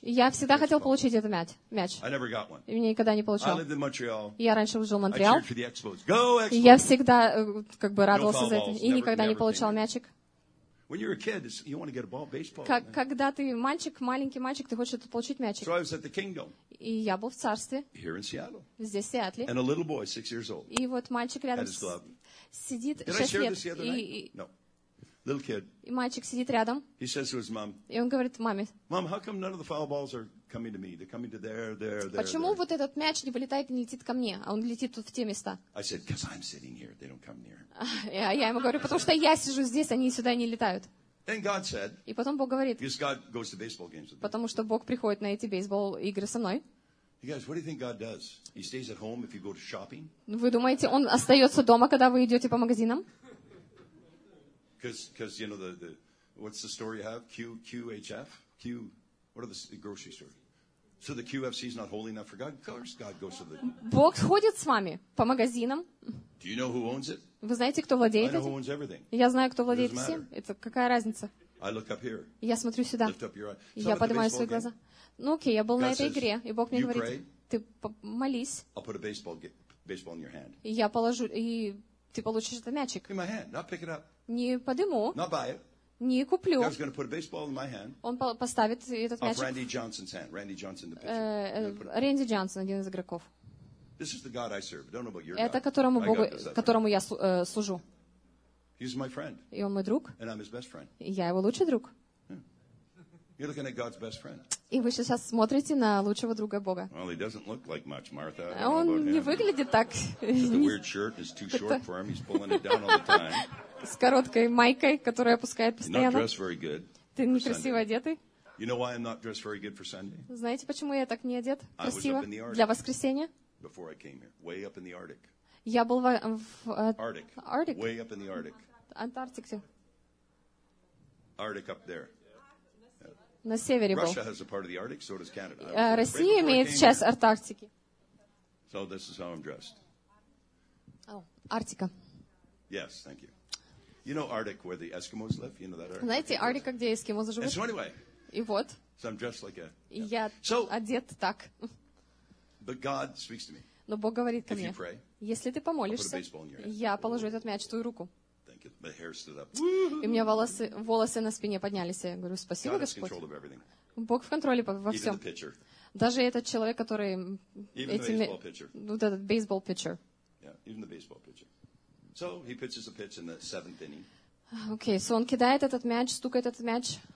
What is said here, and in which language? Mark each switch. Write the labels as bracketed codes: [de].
[ru] Я всегда хотел получить этот мяч. [en] I never got one. [ru] И мне никогда не получал. [en] I lived in Montreal. [ru] Я раньше жил в Монреал. [en] I cheered for the Expos. Go Expos. [ru] Я всегда как бы радовался за это. И никогда не получал мячик. [en] When you're a kid, you want to get a ball, baseball. [ru] Когда ты мальчик, маленький мальчик, ты хочешь получить мячик. [en] So I was at the Kingdom. [ru] И я был в царстве. [en] Here in Seattle. [ru] Здесь, в Сиэтле. [en] And a little boy, 6 years old. [ru] И вот мальчик рядом [en] had his glove. [ru] Сидит, [en] did 6 I share this the other night? No. Little kid. [ru] И мальчик сидит рядом. [en] He says to his mom. [ru] И он говорит маме. [en] Mom, how come none of the foul balls are coming to me? They're coming to there. [ru] Почему [en] there? [ru] Вот этот мяч не вылетает и не летит ко мне, а он летит тут в те места? [en] I said, because I'm sitting here, they don't come near. [ru] Я ему говорю, потому что я сижу здесь, они сюда не летают. [en] Then God said. [ru] И потом Бог говорит. [en] Because God goes to baseball games with me. [ru] Потому что Бог приходит на эти бейсбол игры со мной. [en] You guys, what do you think God does? He stays at home if you go to shopping? Вы думаете, он остается дома, когда вы идете по магазинам? Because you know the what's the store you have? QHF? Q, what are the grocery store? So the QFC is not holy enough for God? Of course God goes to the... [ru] Бог ходит с вами по магазинам. [en] Do you know who owns it? [ru] Вы знаете, кто владеет этим? [en] I know who owns everything. [ru] Я знаю, кто владеет всем. Это какая разница? [en] I look up here. [ru] Я смотрю сюда. [en] Lift up your eyes. [ru] Я поднимаю свои глаза. Ну окей, я был на этой игре. И Бог мне говорит, ты молись. [en] I'll put a baseball in your hand. [ru] Я положу, и ты получишь этот мячик. [en] In my hand, not pick it up. [ru] Не подыму. [en] Not buy it. [ru] Не куплю. [en] God's going to put a baseball in my hand. [ru] Он поставит этот мячик. [en] Off Randy Johnson's hand. Randy Johnson, the pitcher. [ru] Рэнди Джонсон, один из игроков. [en] This is the God I serve. Don't know about your God. [ru] Это которому Богу, которому я служу. [en] He's my friend. [ru] И он мой друг. [en] And I'm his best friend. [ru] И я его лучший друг. [en] You're looking at God's best friend. [ru] И вы сейчас смотрите на лучшего друга Бога. [en] Well, he doesn't look like much, Martha. [ru] Он не выглядит так. [en] The weird shirt is too short for him. He's pulling it down all the time. [ru] С короткой майкой, которая опускает постоянно. [en] Not very good. [ru] Ты некрасиво одетый. [en] You know why I'm not dressed very good for Sunday? [ru] Знаете, почему я так не одет красиво для воскресенья? [en] Before I came here, way up in the Arctic. [ru] Я был в [en] Arctic. Arctic. Way up in the Arctic. [ru] Антарктике. [en] Arctic up there. [ru] На севере был. [en] Russia has a part of the Arctic, so does Canada. [ru] Россия имеет часть Арктики. [en] So this is how I'm dressed. [ru] Oh, Арктика. [en] Yes, thank you. You know Arctic, where the Eskimos live? You know that Arctic? [ru] Знаете, Арктика, где эскимосы живут? [en] And so anyway. [ru] И вот. [en] So I'm dressed like a... [ru] Yeah. Я одет так. [en] But God speaks to me. [ru] Но Бог говорит ко мне. [en] If you pray, [ru] если ты помолишься, [en] I'll put a baseball in your hand. [ru] Я положу этот мяч в твою руку. [en] Thank you. My hair stood up. [ru] И у меня волосы на спине поднялись. Я говорю, спасибо, [en] God [ru] Господь. [en] Has control of everything. [ru] Бог в контроле во всем. [en] Even the pitcher. [ru] Даже этот человек, который... [en] Even the baseball pitcher. [ru] Вот этот [en] baseball pitcher. Yeah, even the baseball pitcher. So he pitches a pitch in the seventh inning. Okay, so [ru] он кидает этот мяч, стукает этот мяч.